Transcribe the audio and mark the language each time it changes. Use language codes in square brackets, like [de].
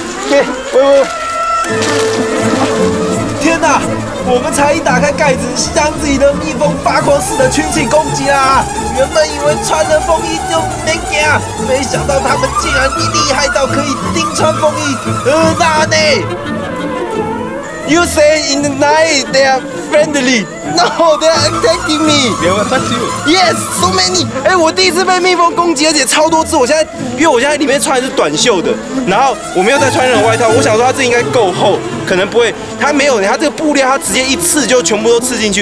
[zh] Okay, 喂喂。天哪，我们才一打开盖子，箱子里的蜜蜂发狂似的群起攻击啦！原本以为穿了风衣就没惊，没想到他们竟然厉害到可以钉穿风衣。哪呢 [en] ？You say in the night they are friendly. No, they are attacking me. They will attack you. Yes, so many. [zh] 哎、欸，我第一次被蜜蜂攻击，而且超多只。我现在，因为我现在里面穿的是短袖的，然后我没有再穿任何外套。我想说，它这应该够厚，可能不会。它没有，它这个布料，它直接一刺就全部都刺进去。